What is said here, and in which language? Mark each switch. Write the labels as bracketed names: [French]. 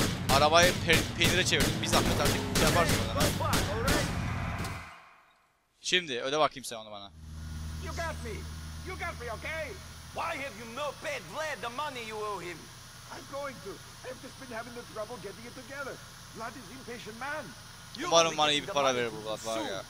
[Turkish] Arabayı peynire çevirdim. Bir zahmet artık bir şey yaparsın bana. Şimdi öde bakayım sen onu bana. [English] You got me. You got me, okay? Why have you not paid Vlad the money you owe him? I'm going to. I've just been having the trouble getting it together. Vlad is impatient man. [Turkish] Umarım bana iyi bir para verir bu Vlad var ya.